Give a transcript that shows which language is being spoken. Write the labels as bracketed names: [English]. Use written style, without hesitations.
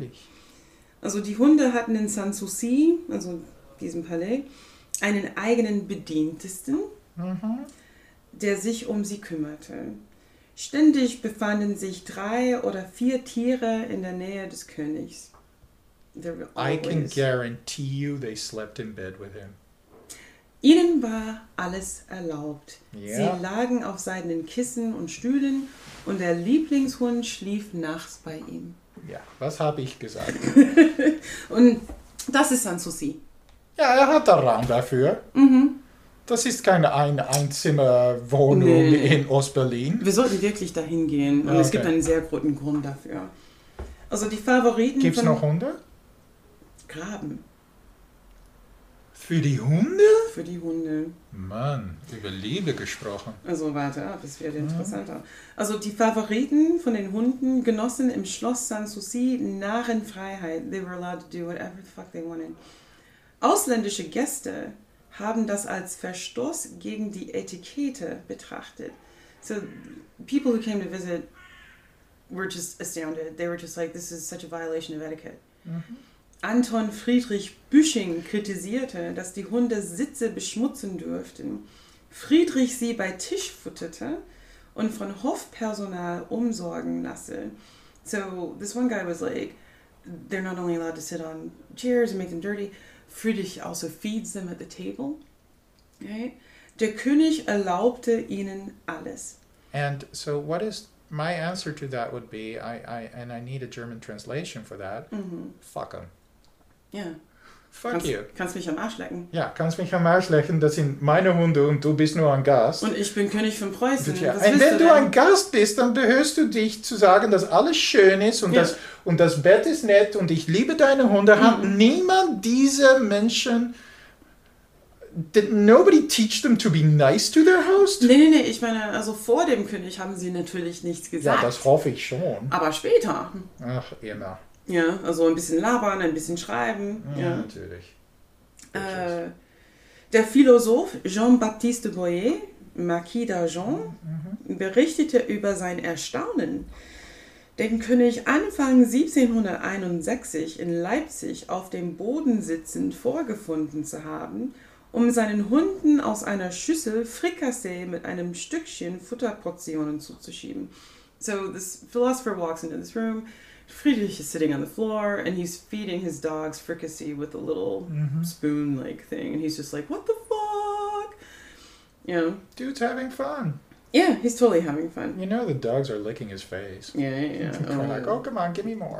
[English] Right? [German] Also die Hunde hatten in Sanssouci, also diesem Palais, einen eigenen Bedientesten, der sich um sie kümmerte. Ständig befanden sich 3 oder 4 Tiere in der Nähe des Königs. [English] I can guarantee you they slept in bed with him. [German] Ihnen war alles erlaubt. [English] Yeah. [German] Sie lagen auf seidenen Kissen und Stühlen und der Lieblingshund schlief nachts bei ihm. Ja, was habe ich gesagt? Und das ist Sanssouci. Ja, er hat da Raum dafür. Mhm. Das ist keine Einzimmerwohnung in Ost-Berlin. Wir sollten wirklich dahin gehen. Und es gibt einen sehr guten Grund dafür. Also die Favoriten. Gibt es noch Hunde? Graben. Für die Hunde? Für die Hunde. Mann, über Liebe gesprochen. Also warte ab, es wird interessanter. Also die Favoriten von den Hunden genossen im Schloss Sanssouci Narrenfreiheit. [English] They were allowed to do whatever the fuck they wanted. [German] Ausländische Gäste haben das als Verstoß gegen die Etikette betrachtet. [English] So people who came to visit were just astounded. They were just like, this is such a violation of etiquette. Mhm. [German] Anton Friedrich Büsching kritisierte, dass die Hunde Sitze beschmutzen dürften. Friedrich sie bei Tisch futterte und von Hofpersonal umsorgen lasse. [English] So, this one guy was like, they're not only allowed to sit on chairs and make them dirty, Friedrich also feeds them at the table. [German] Okay. Der König erlaubte ihnen alles. [English] And so what is... My answer to that would be, I need a German translation for that. Mm-hmm. Fuck them. Yeah. Fuck you. [German] Kannst mich am Arsch lecken. Ja, kannst mich am Arsch lecken. Das sind meine Hunde und du bist nur ein Gast. Und ich bin König von Preußen. Und wenn du ein Gast bist, dann behörst du dich zu sagen, dass alles schön ist und, das, und das Bett ist nett und ich liebe deine Hunde. Mm-hmm. Hat niemand diese Menschen... [English] Did nobody teach them to be nice to their host? [German] Nee, ich meine, also vor dem König haben sie natürlich nichts gesagt. Ja, das hoffe ich schon. Aber später. Ach, immer. Ja, also ein bisschen labern, ein bisschen schreiben. Ja, ja. Natürlich. Der Philosoph Jean-Baptiste Boyer, Marquis d'Argens, berichtete über sein Erstaunen, den König Anfang 1761 in Leipzig auf dem Boden sitzend vorgefunden zu haben, um seinen Hunden aus einer Schüssel Frikassee mit einem Stückchen Futterportionen zuzuschieben. [English] So, this philosopher walks into this room. Friedrich is sitting on the floor, and he's feeding his dogs fricassee with a little spoon-like thing. And he's just like, what the fuck? You know? Dude's having fun. Yeah, he's totally having fun. You know the dogs are licking his face. Yeah. They're like, oh, come on, give me more.